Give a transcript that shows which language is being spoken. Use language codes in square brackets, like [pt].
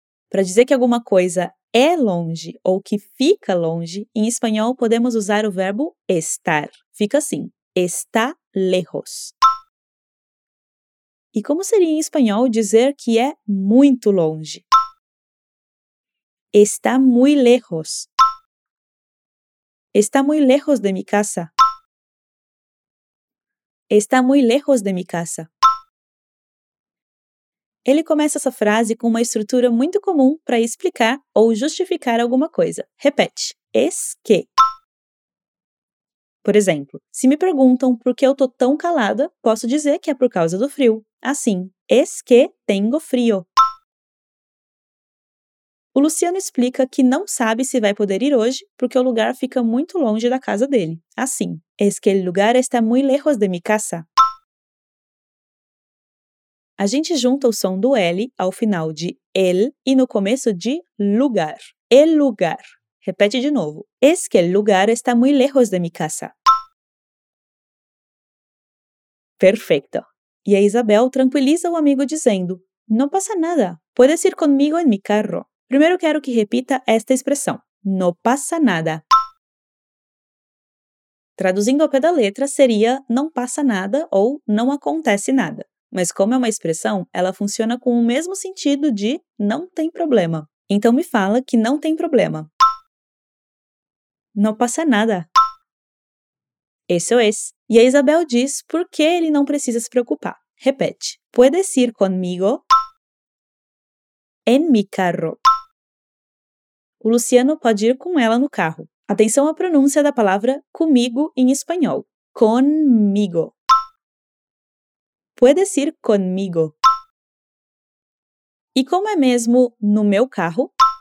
[pt] Para dizer que alguma coisa é longe ou que fica longe, em espanhol podemos usar o verbo estar. Fica assim. [es] Está lejos. [pt] E como seria em espanhol dizer que é muito longe? [es] Está muy lejos. Está muy lejos de mi casa. Está muy lejos de mi casa. [pt] Ele começa essa frase com uma estrutura muito comum para explicar ou justificar alguma coisa. Repete. [es] Es que. [pt] Por exemplo, se me perguntam por que eu tô tão calada, posso dizer que é por causa do frio. Assim, [es] es que tengo frio. [pt] O Luciano explica que não sabe se vai poder ir hoje porque o lugar fica muito longe da casa dele. Assim, [es] es que el lugar está muy lejos de mi casa. [pt] A gente junta o som do L ao final de el e no começo de lugar. [es] El lugar. [pt] Repete de novo. [es] Es que el lugar está muy lejos de mi casa. [pt] Perfeito. E a Isabel tranquiliza o amigo dizendo: [es] No pasa nada. Puedes ir conmigo en mi carro. [pt] Primeiro quero que repita esta expressão. [es] No pasa nada. [pt] Traduzindo ao pé da letra, seria não passa nada ou não acontece nada. Mas como é uma expressão, ela funciona com o mesmo sentido de não tem problema. Então me fala que não tem problema. [es] No pasa nada. Eso es. [pt] E a Isabel diz por que ele não precisa se preocupar. Repete. [es] Puedes ir conmigo en mi carro. [pt] O Luciano pode ir com ela no carro. Atenção à pronúncia da palavra comigo em espanhol. [es] Conmigo. [pt] Puedes ir conmigo. E como é mesmo no meu carro?